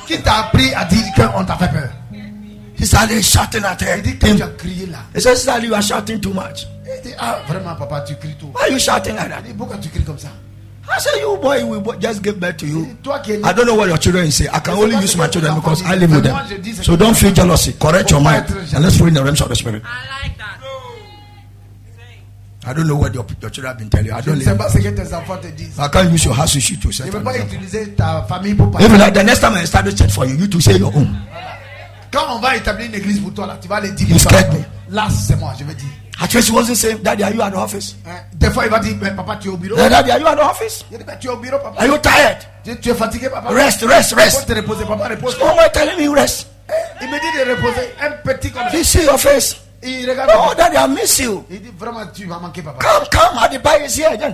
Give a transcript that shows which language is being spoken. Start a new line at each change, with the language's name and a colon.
French: Qui t'a appris à dire que on t'a fait peur?
English: He's already shouting at her.
French: He dit que tu as crié là.
English: He says, Sally, you are shouting too much.
French: He dit, ah, vraiment, papa, tu cries tout.
English: Why are you shouting like that?
French: Dit, pourquoi tu cries comme ça?
English: I said, you boy, we just give birth to you. I don't know what your children say. I can only use my children because I live with them. So don't feel jealousy. Correct your mind. And let's pray in the realms of the spirit. I like that. I don't know what your children have been telling you. I don't know. I can't use your house to shoot yourself. Even like the next time I establish church for you, you two say your own.
French: Quand on va établir une église pour toi, là, tu vas aller dire.
English: You scared me.
French: Là, c'est moi, je vais dire.
English: Actually, she wasn't saying, Daddy, are you at the office?
French: Des fois, il va dire, papa, tu es au bureau.
English: Daddy, are you at the office?
French: Il dit, tu es au bureau, papa.
English: Are you tired?
French: Tu es fatigué, papa.
English: Rest.
French: Te reposer, papa, repose.
English: Oh, my, telling me rest.
French: Il me dit de reposer un petit coup.
English: He see your face.
French: Il regarde.
English: Oh, Daddy, I miss you.
French: Il dit vraiment, tu vas manquer, papa.
English: Come, Adibai is here again.